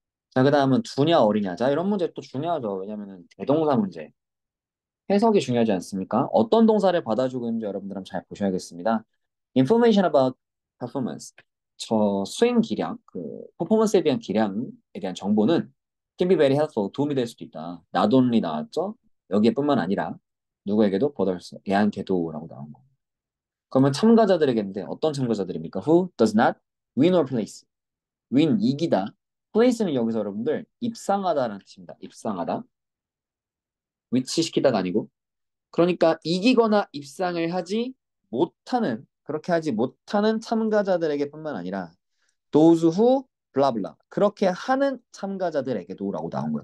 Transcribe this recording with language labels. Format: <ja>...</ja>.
<ko>자, 그다음은 두냐, 어리냐. 자, 이런 문제 또 중요하죠. 왜냐면은 대동사 문제. 해석이 중요하지 않습니까? 어떤 동사를 받아주고 있는지 여러분들은 잘 보셔야겠습니다.</ko> <en>Information about performance.</en> <ko>저 수행 기량, 그 퍼포먼스에 대한 기량에 대한 정보는</ko> <en>can be very helpful,</en> <ko>도움이 될 수도 있다. not only 나왔죠? 여기에뿐만 아니라 누구에게도 보답할 수, 얘한테도라고 나온 거. 그러면 참가자들에게인데 어떤 참가자들입니까?</ko> <en>Who does not win or place?</en> <ko>win 이기다. place는 여기서 여러분들 입상하다라는 뜻입니다. 입상하다. 위치시키다가 아니고. 그러니까 이기거나 입상을 하지 못하는 그렇게 하지 못하는 참가자들에게뿐만 아니라</ko> <en>those who blah blah</en> <ko>그렇게 하는 참가자들에게도라고 나온 거예요.</ko>